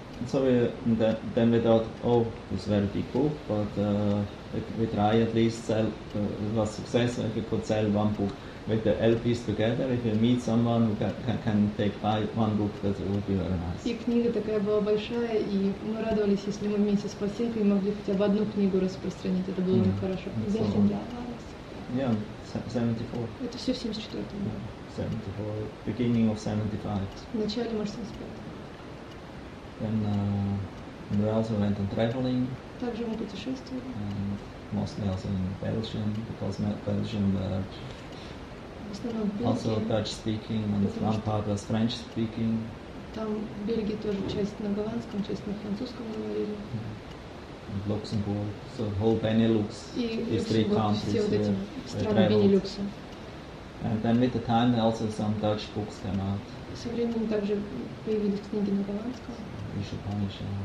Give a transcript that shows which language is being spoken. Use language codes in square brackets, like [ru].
[en] So we then we thought, oh, it's a very big book, but we try at least sell. It was successful if we could sell one book with the LPs together. If you meet someone who can take buy one book, that would be very nice. [ru] И книга такая была большая, и мы радовались, если мы вместе с пластинкой могли хотя бы одну книгу распространить. Это было бы хорошо. [en] So, 74. [ru] Это все в 74-м. Да. [en] 74. Beginning of 75. [ru] В начале, может, 75. [en] Then we also went on traveling. [ru] Также мы путешествовали. [en] Mostly also in Belgium, because Belgium were also Dutch speaking, and the front part was French speaking. [ru] Там в Бельгии тоже часть на голландском, часть на французском говорили. [en] And Luxembourg, so the whole Benelux, these three countries were traveled. And then with the time also some Dutch books came out. [ru] Со временем также появились книги на голландском.